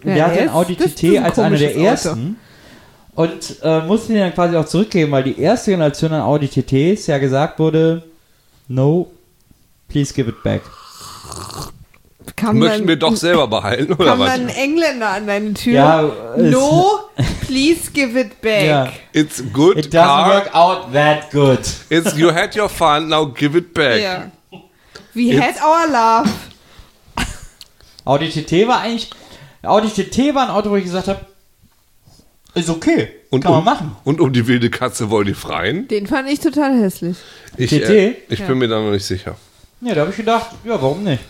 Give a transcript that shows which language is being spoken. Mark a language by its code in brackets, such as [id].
[de] Der hatte ein Audi TT als einer der ersten. Und musste ihn dann quasi auch zurückgeben, weil die erste Generation an Audi TTs ja gesagt wurde, [en] no, please give it back. [de] Möchten wir doch selber behalten, oder was? Kam dann ein Engländer an deine Tür? [en] Ja, no, please give it back. Yeah. It's good. It doesn't work out that good. It's you had your fun, now give it back. Yeah. We had our love. [de] Audi TT war eigentlich, Audi TT war ein Auto, wo ich gesagt habe, ist okay, und kann um, man machen. Und um die wilde Katze wollen die freien? Den fand ich total hässlich. Ich, TT? Ich bin mir da noch nicht sicher. Ja, da habe ich gedacht, ja, warum nicht?